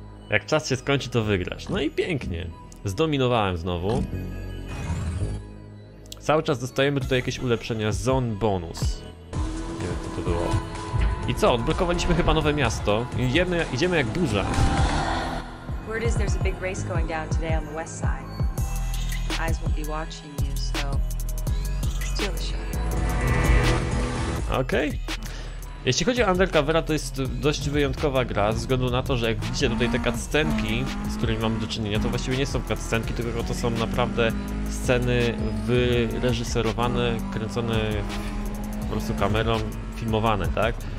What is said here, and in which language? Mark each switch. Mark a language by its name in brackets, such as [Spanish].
[Polish] Jak czas się skończy, to wygrasz. No i pięknie. Zdominowałem znowu. Cały czas dostajemy tutaj jakieś ulepszenia. Zone bonus. Nie wiem, co to było. I co? Odblokowaliśmy chyba nowe miasto. Idziemy jak burza. [English] Word is there's a big race going down today on the west side. Eyes will be watching you, so steal the show. [Polish] Okej. Jeśli chodzi o Undercovera, to jest dość wyjątkowa gra, ze względu na to, że jak widzicie tutaj te cutscenki, z którymi mamy do czynienia, to właściwie nie są cutscenki, tylko to są naprawdę sceny wyreżyserowane, kręcone po prostu kamerą, filmowane, tak?